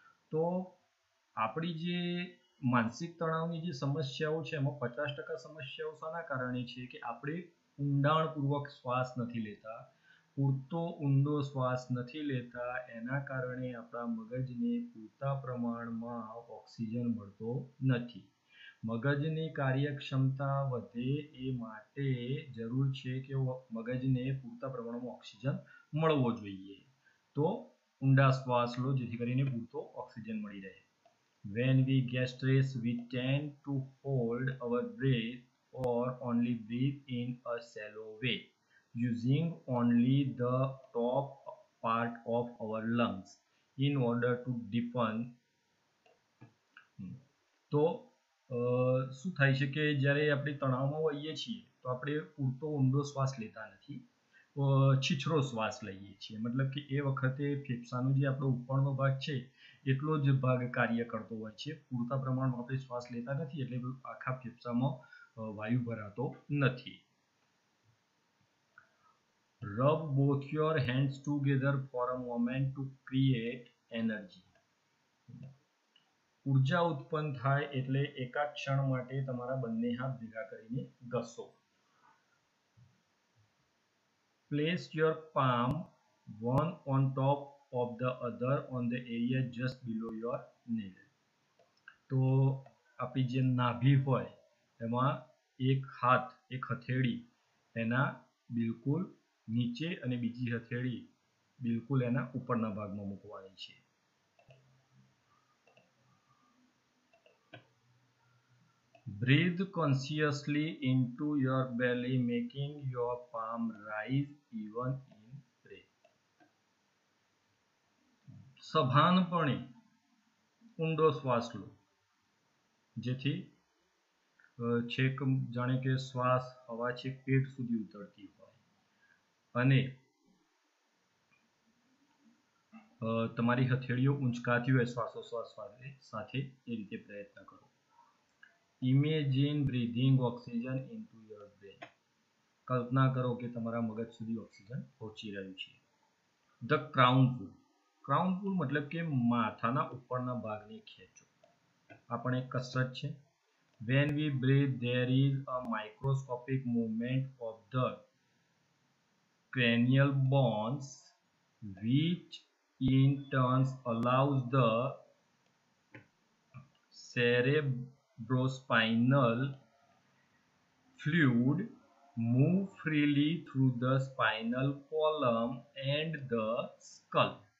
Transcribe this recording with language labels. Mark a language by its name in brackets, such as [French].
[Gujarati] તો આપણી જે માનસિક તણાવની જે સમસ્યાઓ છે એમાં 50% સમસ્યાઓ શાના કારણે છે કે આપણે ઊંડાણપૂર્વક શ્વાસ નથી લેતા, પૂરતો ઊંડો શ્વાસ નથી લેતા, એના કારણે આપણા મગજને પૂરતા પ્રમાણમાં ઓક્સિજન મળતો નથી. મગજની કાર્યક્ષમતા વધે એ માટે જરૂર છે કે મગજને પૂરતા પ્રમાણમાં ઓક્સિજન મળવો જોઈએ. તો ઊંડા શ્વાસ લો જેથી કરીને પૂરતો ઓક્સિજન મળી રહે. [English] When we gastrace, we tend to hold our breath or only breathe in a shallow way, using only the top part of our lungs in order to deepen. [Gujarati] તો શું થાય છે કે જ્યારે આપણે તણાવમાં હોઈએ છીએ તો આપણે પૂરતો ઊંડો શ્વાસ લેતા નથી, છીછરો શ્વાસ લઈએ છીએ. મતલબ કે એ વખતે ફેફસાનો જે આપણો ઉપરનો ભાગ છે એટલો જ ભાગ કાર્ય કરતો હોય છે. પૂરતા પ્રમાણમાં આપણે શ્વાસ લેતા નથી એટલે આખા ફેફસામાં વાયુ ભરાતો નથી. [English] Rub both your hands together for a moment to create energy. [Gujarati] ઉર્જા ઉત્પન્ન થાય એટલે એકાદ ક્ષણ માટે તમારા બંને હાથ ભેગા કરીને ઘસો. [English] Place your palm one on top of the other on the area just below your navel. [Gujarati] તો આપણી જે નાભી હોય એમાં એક હાથ, એક હથેળી એના બિલકુલ નીચે અને બીજી હથેળી બિલકુલ એના ઉપરના ભાગમાં મૂકવાની છે. [English] Breathe consciously into your belly, making your palm rise even in breath. [Gujarati] સભાનપણે ઊંડો શ્વાસ લો જેથી છેક, જાણે કે શ્વાસ હવા છેક પેટ સુધી ઉતરતી હોય અને તમારી હથેળીઓ ઊંચકાતી હોય શ્વાસોશ્વાસ સાથે. એ રીતે પ્રયત્ન કરો. [English] Imagine breathing oxygen into your brain. [Gujarati] કલ્પના કરો કે તમારા મગજ સુધી ઓક્સિજન પહોંચી રહ્યું છે. [English] The crown pull. [Gujarati] ક્રાઉન પુલ મતલબ કે માથાના ઉપરના ભાગને ખેંચો. આ પણ એક કસરત છે. [English] When we breathe, there is a microscopic movement of the cranial bones, which in turn allows the cerebrospinal fluid move freely through the spinal column and the skull.